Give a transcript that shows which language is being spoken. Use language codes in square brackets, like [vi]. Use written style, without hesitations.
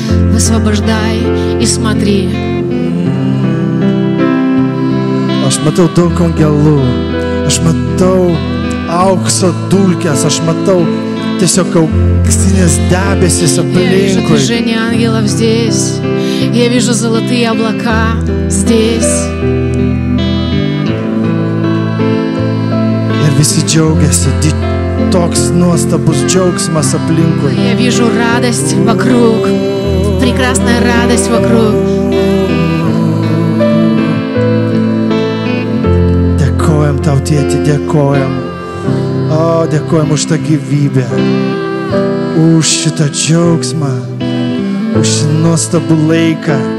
[lt] Visvabaždai ir smatry. Aš matau daug angelų, aš matau aukso dulkes, aš matau tiesiog auksinės debesis aplinkui. [ru] Я вижу движение ангелов здесь, я вижу золотые облака здесь. [lt] Ir visi džiaugiasi, toks nuostabus džiaugsmas aplinkui. [ru] Я вижу радость вокруг, прекрасная радость вокруг. [lt] Tau tėti, dėkojam. O, dėkojam už tą gyvybę. Už šitą džiaugsmą. Už šį nuostabų laiką.